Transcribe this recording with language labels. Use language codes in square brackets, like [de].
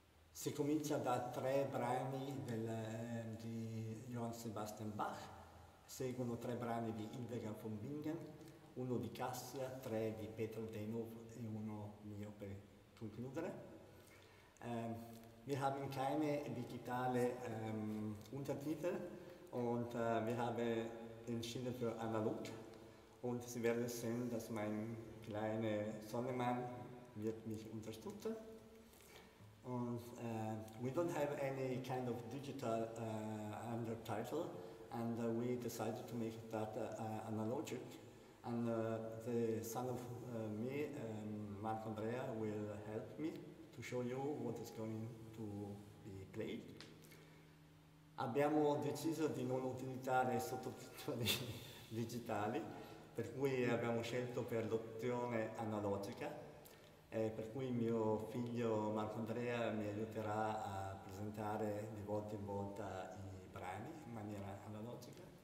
[it] Si comincia da tre brani di Johann Sebastian Bach, seguono tre brani di Hildegard von Bingen, uno di Cassia, tre di Peter Denhoff e uno mio per concludere. [de] Wir haben keine digitale Untertitel und wir haben entschieden für analog. Und Sie werden sehen, dass mein kleiner Sonnenmann wird mich unterstützen. [en] Und we don't have any kind of digital undertitle, and we decided to make that analogic. And the son of me, Marco Andrea, will help me to show you what is going to be played. [it] Abbiamo deciso di non utilizzare sottotitoli digitali, per cui abbiamo scelto per l'opzione analogica. Per cui mio figlio Marco Andrea mi aiuterà a presentare di volta in volta i brani in maniera analogica.